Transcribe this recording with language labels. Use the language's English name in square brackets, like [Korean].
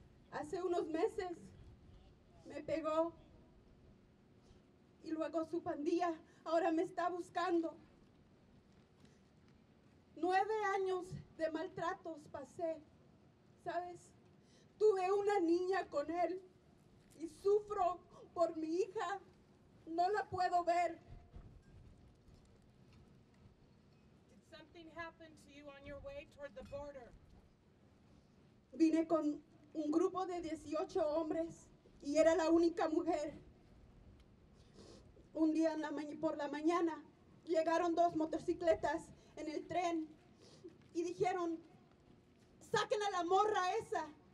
[Spanish] Hace unos meses me pegó y luego su pandilla ahora me está buscando. 9 años de maltratos pasé, ¿sabes? Tuve una niña con él y sufro por mi hija. No la puedo ver. [English] Something happened to you on your way toward the border. [Spanish] Vine con un grupo de 18 hombres y era la única mujer. Un día por la mañana llegaron dos motocicletas en el tren y dijeron, saquen a la morra esa.